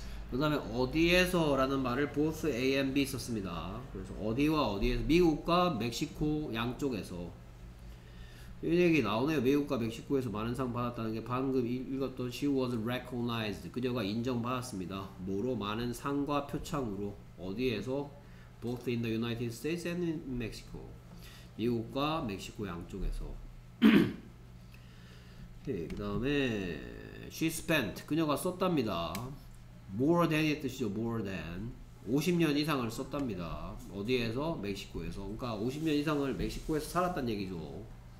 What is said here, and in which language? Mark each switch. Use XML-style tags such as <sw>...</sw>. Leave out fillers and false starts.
<ko>그 다음에 어디에서라는 말을</ko> <en>both A and B</en> <ko>썼습니다. 그래서 어디와 어디에서 미국과 멕시코 양쪽에서 이런 얘기 나오네요. 미국과 멕시코에서 많은 상 받았다는 게 방금 읽었던</ko> <en>She was recognized.</en> <ko>그녀가 인정받았습니다. 뭐로? 많은 상과 표창으로. 어디에서?</ko> <en>Both in the United States and in Mexico.</en> <ko>미국과 멕시코 양쪽에서. 네, 그 다음에</ko> <en>She spent.</en> <ko>그녀가 썼답니다.</ko> <en>More than</en> <ko>의 뜻이죠. More than. 50년 이상을 썼답니다. 어디에서? 멕시코에서. 그러니까 50년 이상을 멕시코에서 살았단 얘기죠.</ko>